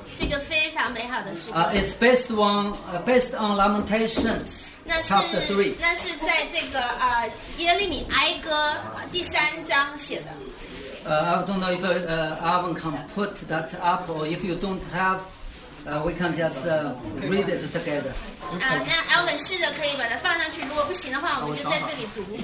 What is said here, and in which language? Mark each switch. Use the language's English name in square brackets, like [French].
[Chinese] 是一个非常美好的诗歌。 [English] It's based on Lamentations. [Chinese] 那是在这个耶利米哀歌第三章写的。 [English] I don't know if Alvin can put that up, or if you don't have, we can just read it together. [Chinese] 那 Alvin 试着可以把它放上去，如果不行的话，我们就在这里读。